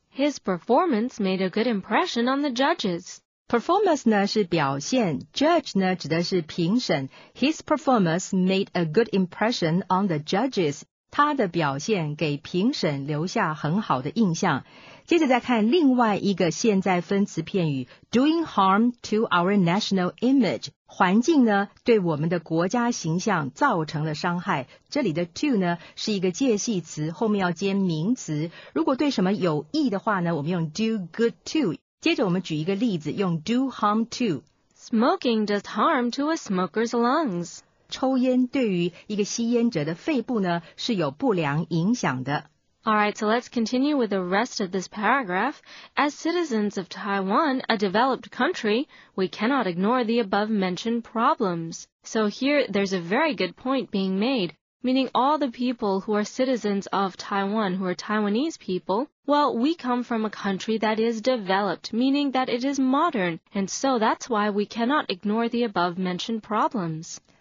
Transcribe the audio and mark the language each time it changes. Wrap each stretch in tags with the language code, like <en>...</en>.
<en>His performance made a good impression on the judges.</en> <zh>Performance 呢是表现 ,judge 呢指的是评审。</zh> <en>His performance made a good impression on the judges.</en> <zh>他的表现给评审留下很好的印象。接着再看另外一个现在分词片语 ,</zh> <en>doing harm to our national image.</en> <zh>环境呢对我们的国家形象造成了伤害。这里的 to 呢是一个介系词，后面要接名词。如果对什么有益的话呢，我们用 do good to. 接着我们举一个例子，用 do harm to.</zh> <en>Smoking does harm to a smoker's lungs.</en> <zh>抽烟对于一个吸烟者的肺部呢，是有不良影响的。</zh> <en>All right, so let's continue with the rest of this paragraph. As citizens of Taiwan, a developed country, we cannot ignore the above-mentioned problems. So here, there's a very good point being made, meaning all the people who are citizens of Taiwan, who are Taiwanese people, well, we come from a country that is developed, meaning that it is modern, and so that's why we cannot ignore the above-mentioned problems.</en>